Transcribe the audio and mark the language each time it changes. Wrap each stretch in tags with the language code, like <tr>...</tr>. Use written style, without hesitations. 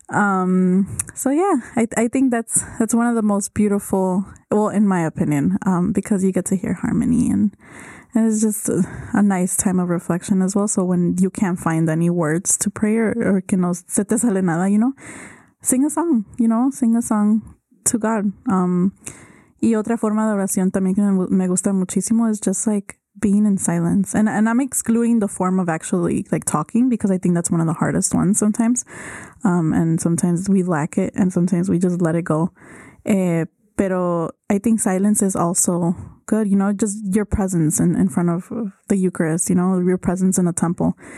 <en>So yeah, I think that's one of the most beautiful, well, in my opinion, because you get to hear harmony and it's just a nice time of reflection as well. So when you can't find any words to pray or</en> <es>que no se te sale nada,</es> <en>you know, sing a song to God.</en> <es>Y otra forma de oración también que me gusta muchísimo</es> <en>is just like being in silence. And I'm excluding the form of actually like talking, because I think that's one of the hardest ones sometimes. And sometimes we lack it and sometimes we just let it go. Pero I think silence is also good, you know, just your presence in front of the Eucharist, you know, your presence in the temple.</en>